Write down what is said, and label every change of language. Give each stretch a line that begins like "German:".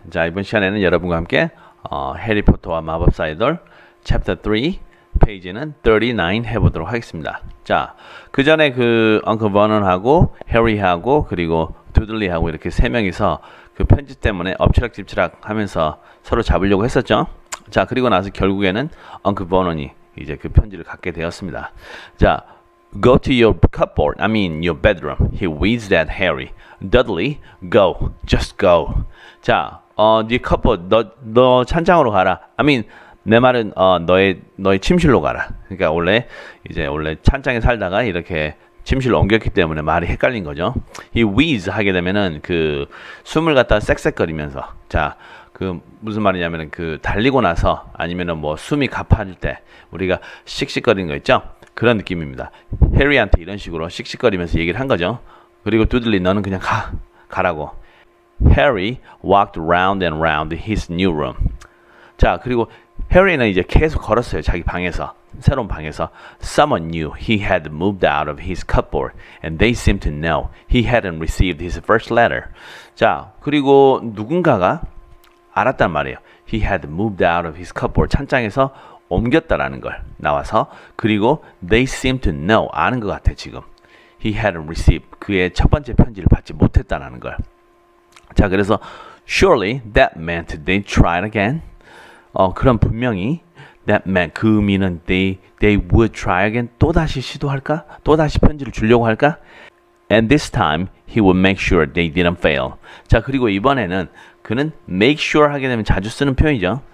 Korean: 자, 이번 시간에는 여러분과 함께 해리포터와 마법사의들 챕터 3 페이지는 39 해보도록 하겠습니다. 자, 그 전에 그 언클 버논하고 해리하고 그리고 두들리하고 이렇게 세 명이서 그 편지 때문에 엎치락뒤치락 하면서 서로 잡으려고 했었죠. 자, 그리고 나서 결국에는 언클 버논이 이제 그 편지를 갖게 되었습니다.
English: 자, Go to your cupboard, I mean your bedroom, he wheezed at Harry. Dudley, go, just go.
Korean: 자, 네 cupboard, 너 찬장으로 가라. I mean, 내 말은 너의 침실로 가라. 그러니까 원래 찬장에 살다가 이렇게 침실로 옮겼기 때문에 말이 헷갈린 거죠. He wheezed 하게 되면은 그 숨을 갖다가 쌕쌕거리면서 자, 그 무슨 말이냐면은 그 달리고 나서 아니면은 뭐 숨이 가파질 때 우리가 씩씩거리는 거 있죠? 그런 느낌입니다. 해리한테 이런 식으로 씩씩거리면서 얘기를 한 거죠. 그리고 두들리 너는 그냥 가라고.
English: Harry walked round and round his new room.
Korean: 자, 그리고 해리는 이제 계속 걸었어요. 자기 방에서. 새로운 방에서.
English: Someone knew he had moved out of his cupboard and they seemed to know he hadn't received his first letter.
Korean: 자, 그리고 누군가가 알았단 말이에요.
English: He had moved out of his cupboard.
Korean: 찬장에서 옮겼다라는 걸 나와서 그리고
English: they seem to know
Korean: 아는 것 같아 지금
English: he hadn't received
Korean: 그의 첫 번째 편지를 받지 못했다라는 걸 자 그래서
English: surely that meant they tried again
Korean: 그럼 분명히 that meant 그 의미는
English: they would try again
Korean: 또 다시 시도할까 또 다시 편지를 주려고 할까
English: and this time he would make sure they didn't fail
Korean: 자 그리고 이번에는 그는 make sure 하게 되면 자주 쓰는 표현이죠.